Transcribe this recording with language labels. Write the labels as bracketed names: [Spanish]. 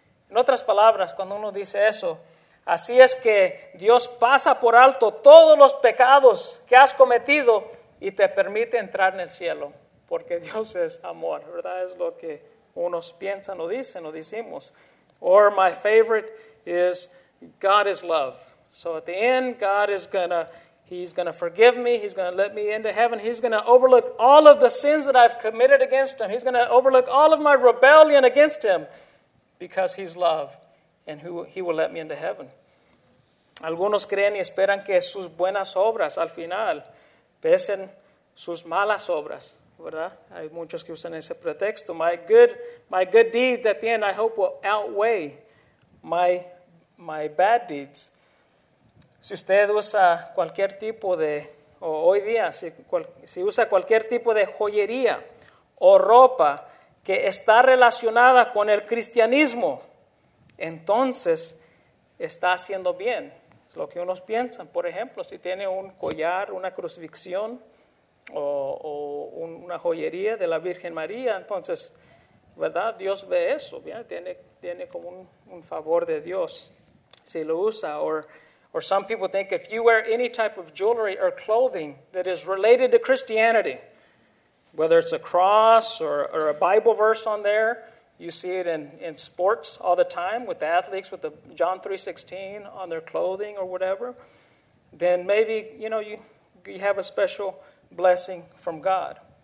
[Spanish] En otras palabras, cuando uno dice eso, así es que Dios pasa por alto todos los pecados que has cometido y te permite entrar en el cielo, porque Dios es amor, ¿verdad? Es lo que unos piensan o dicen o decimos. [English] Or my favorite is God is love. So at the end, God is gonna, he's gonna forgive me, he's gonna let me into heaven, he's gonna overlook all of the sins that I've committed against him, he's gonna overlook all of my rebellion against him, because he's love, and he will let me into heaven. [Spanish] Algunos creen y esperan que sus buenas obras al final pesen sus malas obras, ¿verdad? Hay muchos que usan ese pretexto. [English] My good deeds at the end, I hope, will outweigh my bad deeds. [Spanish] Si usted usa cualquier tipo de, o hoy día, si usa cualquier tipo de joyería o ropa que está relacionada con el cristianismo, entonces está haciendo bien. Es lo que unos piensan. Por ejemplo, si tiene un collar, una crucifixión, o una joyería de la Virgen María, entonces, ¿verdad? Dios ve eso, ¿bien? Tiene como un favor de Dios si lo usa. [English] Or some people think if you wear any type of jewelry or clothing that is related to Christianity, whether it's a cross or a Bible verse on there, you see it in sports all the time with the athletes with the John 3:16 on their clothing or whatever, then maybe, you know, you have a special blessing from God.